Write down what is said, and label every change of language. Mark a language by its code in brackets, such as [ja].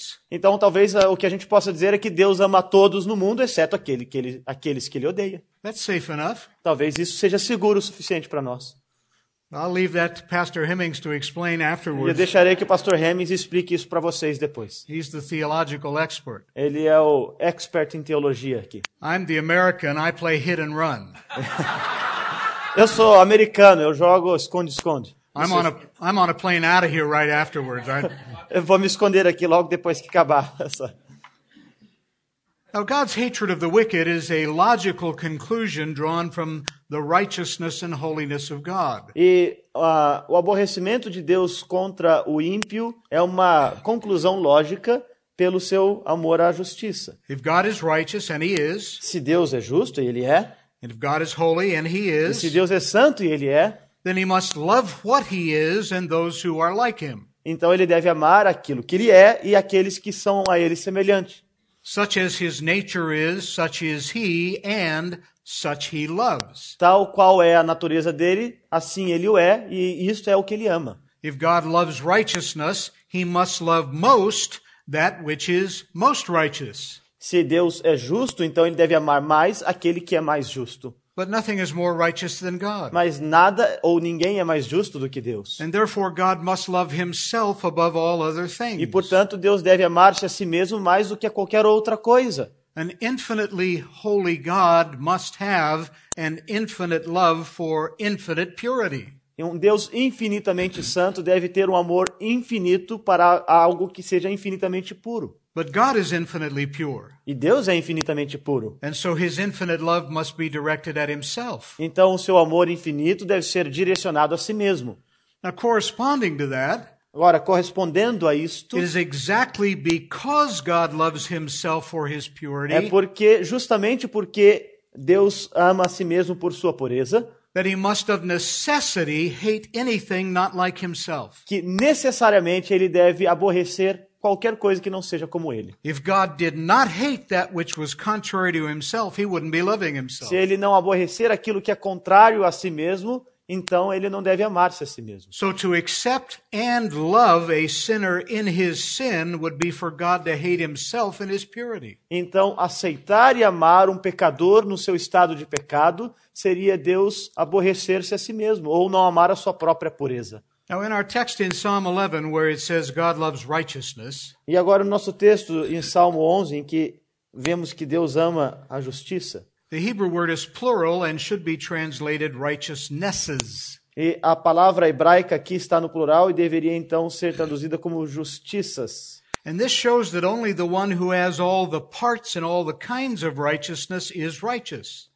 [pt] Então, talvez o que a gente possa dizer é que Deus ama a todos no mundo, exceto aqueles que ele odeia. [en] That's safe enough. [pt] Talvez isso seja seguro o suficiente para nós. [en] I'll leave that to Pastor Hemmings to explain afterwards. [pt] E eu deixarei que o Pastor Hemmings explique isso para vocês depois. [en] He's the theological expert. [pt] Ele é o expert em teologia aqui. [en] I'm the American, I play hit and run. [pt] Eu sou americano, eu jogo esconde-esconde. [en] I'm on a plane out of here right afterwards. [pt] Eu vou me esconder aqui logo depois que acabar essa. [en] Now God's hatred of the wicked is a logical conclusion drawn from the righteousness and holiness of God. [pt] E o aborrecimento de Deus contra o ímpio é uma conclusão lógica pelo seu amor à justiça. [en] If God is righteous and he is, [pt] se Deus é justo e ele é, [en] and if God is holy and he is, [pt] e se Deus é santo e ele é, [en] then he must love what he is and those who are like him. [pt] Então ele deve amar aquilo que ele é e aqueles que são a ele semelhantes. [en] Such as his nature is, such is he, and such he loves. [pt] Tal qual é a natureza dele, assim ele o é, e isto é o que ele ama. [en] If God loves righteousness, he must love most that which is most righteous. [pt] Se Deus é justo, então ele deve amar mais aquele que é mais justo. [en] But nothing is more righteous than God. [pt] Mas nada ou ninguém é mais justo do que Deus. [en] And therefore God must love himself above all other things. [pt] E portanto Deus deve amar-se a si mesmo mais do que a qualquer outra coisa. [en] An infinitely holy God must have an infinite love for infinite purity. [pt] Um Deus infinitamente santo deve ter um amor infinito para algo que seja infinitamente puro. [en] But God is infinitely pure. [pt] E Deus é infinitamente puro. [en] And so his infinite love must be directed at himself. [pt] Então o seu amor infinito deve ser direcionado a si mesmo. [en] Now, corresponding to that, [pt] agora, correspondendo a isto, [en] it is exactly because God loves himself for his purity, [pt] é porque, justamente porque Deus ama a si mesmo por sua pureza, [en] that he must of necessity hate anything not like himself. [pt] Que necessariamente ele deve aborrecer qualquer coisa que não seja como ele. [en] If God did not hate that which was contrary to himself, he wouldn't be loving himself. [pt] Se ele não aborrecer aquilo que é contrário a si mesmo, então ele não deve amar-se a si mesmo. [en] So to accept and love a sinner in his sin would be for God to hate himself in his purity. [pt] Então aceitar e amar um pecador no seu estado de pecado seria Deus aborrecer-se a si mesmo ou não amar a sua própria pureza. [en] Now in our text in Psalm 11 where it says God loves righteousness. [pt] E agora no nosso texto em Salmo 11 em que vemos que Deus ama a justiça. [en] The Hebrew word is plural and should be translated righteousnesses. [pt] E a palavra hebraica aqui está no plural e deveria então ser traduzida como justiças. [en] And this shows that only the one who has all the parts and all the kinds of righteousness is righteous.